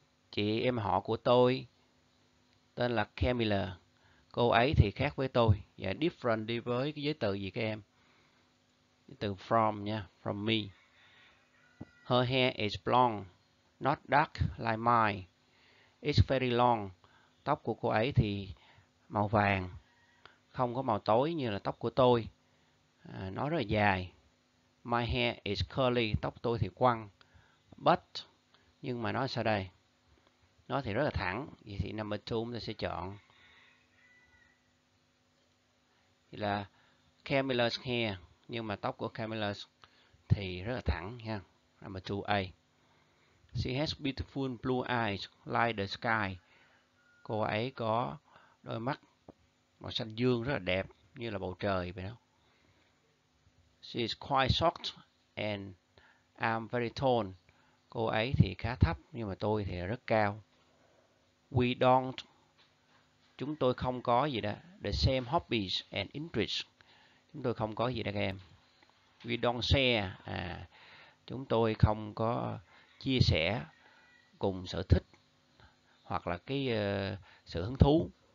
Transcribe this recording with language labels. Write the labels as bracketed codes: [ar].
[vi] Chị em họ của tôi tên là Camilla. Cô ấy thì khác với tôi. Và different đi với cái giới từ gì các em? Từ from nha. From me. [en] Her hair is blonde, not dark like mine. It's very long. [vi] Tóc của cô ấy thì màu vàng, không có màu tối như là tóc của tôi. Nó rất là dài. [en] My hair is curly. [vi] Tóc tôi thì quăng. But, nhưng mà nó sao đây? Nó thì rất là thẳng. Vậy thì number 2 chúng ta sẽ chọn là Camilla's hair, nhưng mà tóc của Camilla thì rất là thẳng nha. [en] Number 2A. She has beautiful blue eyes like the sky. [vi] Cô ấy có đôi mắt màu xanh dương rất là đẹp như là bầu trời vậy đó. [en] She is quite short and I'm very tall. [vi] Cô ấy thì khá thấp nhưng mà tôi thì rất cao. We don't, chúng tôi không có gì đó, [en] the same hobbies and interests. [vi] Chúng tôi không có gì đó các em. [en] We don't share, [vi] chúng tôi không có chia sẻ cùng sở thích hoặc là cái sự hứng thú.